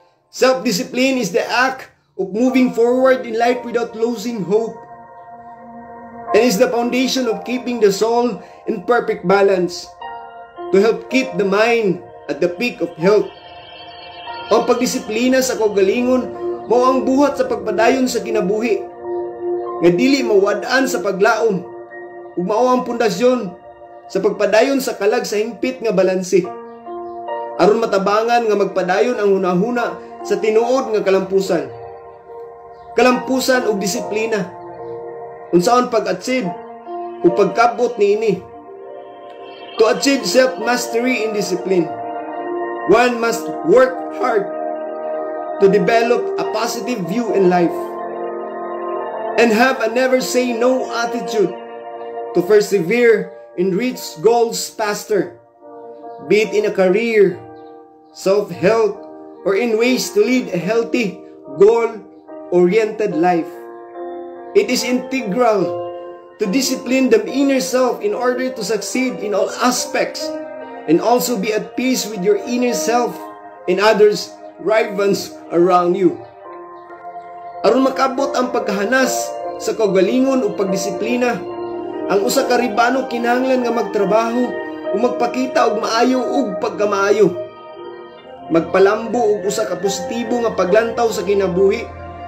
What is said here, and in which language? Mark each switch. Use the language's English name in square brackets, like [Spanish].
[English] Self-discipline is the act of moving forward in life without losing hope, and is the foundation of keeping the soul in perfect balance to help keep the mind at the peak of health. [Cebuano] Ang pagdisiplina sa kaugalingon mao ang buhat sa pagpadayon sa kinabuhi nga dili mawad-an sa paglaom, ug mao ang pundasyon sa pagpadayon sa kalag sa himpit nga balanse, aron matabangan nga magpadayon ang hunahuna sa tinuod nga kalampusan. Kalampusan o disiplina, unsaon pag-achieve o pagkabot niini? [English] To achieve self-mastery in discipline, one must work hard to develop a positive view in life and have a never say no attitude to persevere and reach goals faster, be it in a career, self-help, or in ways to lead a healthy, goal-oriented life. It is integral to discipline the inner self in order to succeed in all aspects and also be at peace with your inner self and others, rivals around you. [Cebuano] Aron makabot ang pagkahanas sa kaugalingon o pagdisiplina, ang usa ka ribano kinahanglan nga magtrabaho o magpakita og maayo og pagkamaayo. Magpalambo og usa ka positibo nga paglantaw sa kinabuhi.